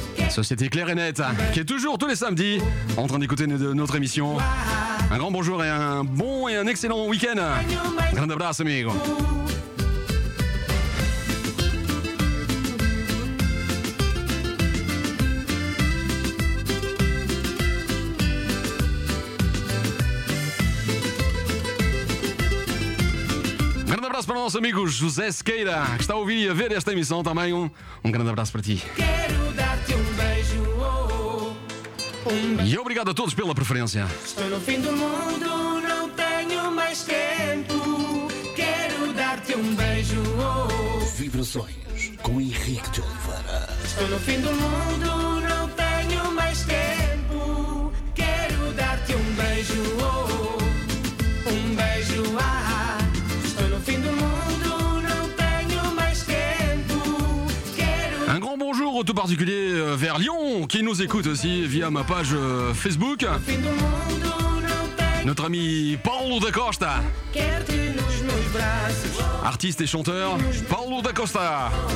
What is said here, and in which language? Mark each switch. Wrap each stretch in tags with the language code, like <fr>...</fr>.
<fr>Société claire et nette, qui est toujours tous les samedis en train d'écouter notre émission. Un grand bonjour et un bon et un excellent week-end.</fr> <pt>Grand abraço, amigo. Grand abraço para o nosso amigo José Sequeira, que está a ouvir e a ver esta emissão também. Um grande abraço para ti. E obrigado a todos pela preferência. Estou no fim do mundo, não tenho mais tempo. Quero dar-te um beijo, oh. Vibrações com Henrique de Oliveira. Estou no fim do mundo, não tenho mais tempo. Quero dar-te um beijo, oh. beijo, oh, oh, um beijo, ah, ah. Estou no fim do mundo, não tenho mais tempo. Quero...</pt> <fr>Un grand bonjour tout particulier vers Lyon, qui nous écoute aussi via ma page Facebook.</fr> <pt>No fim do mundo, não tenho...</pt> <fr>Notre ami Paulo da Costa.</fr> <pt>Quero-te nos meus braços.</pt> <fr>Artiste et chanteur, Paulo da Costa.</fr>